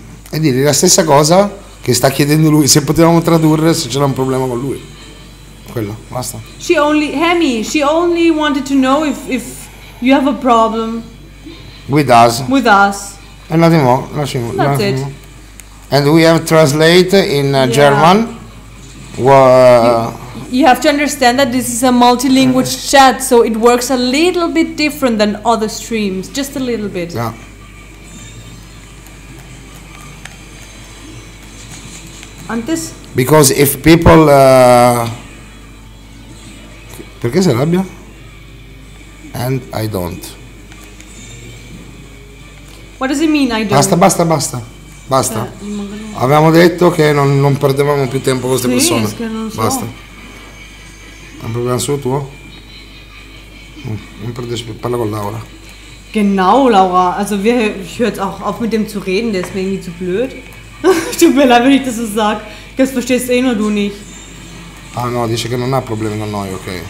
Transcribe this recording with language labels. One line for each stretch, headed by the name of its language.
Italian: E dire la stessa cosa che sta chiedendo lui, se potevamo tradurre, se c'era un problema con lui. Quello, basta.
English: She only, Hemi, she only wanted to know if you have a problem. With us. And nothing more. That's it. And we have translate in German. You have to understand that this is a multilingual chat, so it works a little bit different than other streams. Just a little bit. Yeah.
Spanish: Antes?
English: Because if people...
Italian: Perché si arrabbia?
English: And I don't. What does it mean, I don't?
Italian: Basta. Cioè, avevamo detto che non perdevamo più tempo con queste persone. Sì, non so. Basta. È un problema solo tuo? Non perdere più, parla con Laura.
German: Genau, Laura. Also, ich höre jetzt auch auf mit dem zu reden, der ist mir irgendwie zu blöd. Tut mir leid, wenn ich das so sag. Das verstehst eh nur du nicht.
Italian: Ah no, dice che non ha problemi con noi, ok.